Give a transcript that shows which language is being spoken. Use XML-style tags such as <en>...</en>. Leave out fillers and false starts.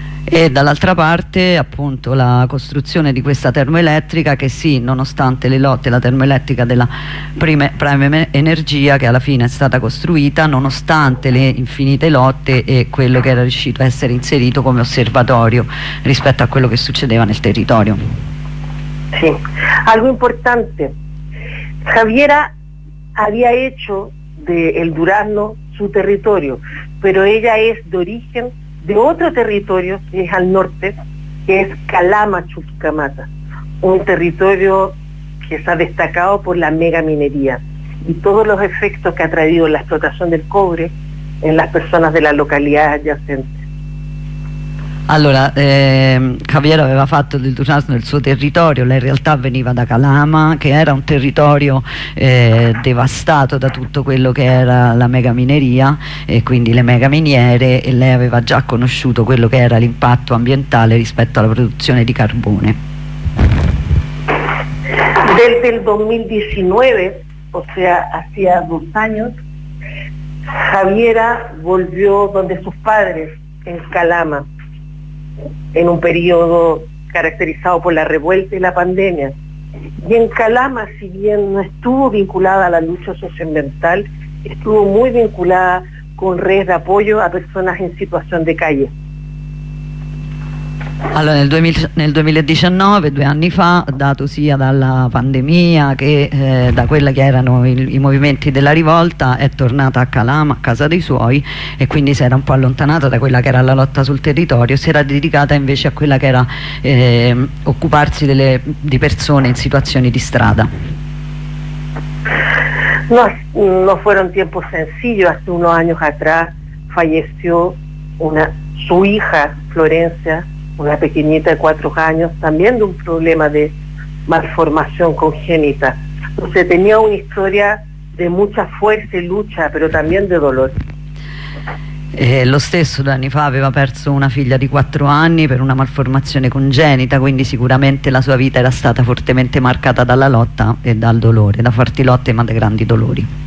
<it>E dall'altra parte appunto la costruzione di questa termoelettrica, che sì, nonostante le lotte, la termoelettrica della Prime Energia, che alla fine è stata costruita nonostante le infinite lotte e quello che era riuscito a essere inserito come osservatorio rispetto a quello che succedeva nel territorio.</it> <es>Sì, algo importante: Javiera había hecho de El Durazno su territorio, pero ella es de origen de otro territorio que es al norte, que es Calama Chuquicamata, un territorio que se ha destacado por la megaminería y todos los efectos que ha traído la explotación del cobre en las personas de la localidad adyacente.</es> <it>Allora, Javiera aveva fatto del Durazno il suo territorio, lei in realtà veniva da Calama, che era un territorio devastato da tutto quello che era la megamineria e quindi le megaminiere, e lei aveva già conosciuto quello che era l'impatto ambientale rispetto alla produzione di carbone.</it> <es>Desde el 2019, o sea, hacía 2 años, Javiera volvió donde sus padres, en Calama, en un periodo caracterizado por la revuelta y la pandemia. Y en Calama, si bien no estuvo vinculada a la lucha socioambiental, estuvo muy vinculada con redes de apoyo a personas en situación de calle.</es> <it>Allora, nel 2019, due anni fa, dato sia dalla pandemia che da quella che erano i movimenti della rivolta, è tornata a Calama, a casa dei suoi, e quindi si era un po' allontanata da quella che era la lotta sul territorio, si era dedicata invece a quella che era occuparsi di persone in situazioni di strada.</it> <es>No fueron tiempos sencillos. Hace unos años atrás falleció su hija Florencia, una pequeñita de 4 años, también de un problema de malformación congénita. Entonces tenía una historia de mucha fuerza y lucha, pero también de dolor.</es> <it>Lo stesso 2 anni fa aveva perso una figlia di 4 anni per una malformazione congenita, quindi sicuramente la sua vita era stata fortemente marcata dalla lotta e dal dolore, da forti lotte ma da grandi dolori.</it>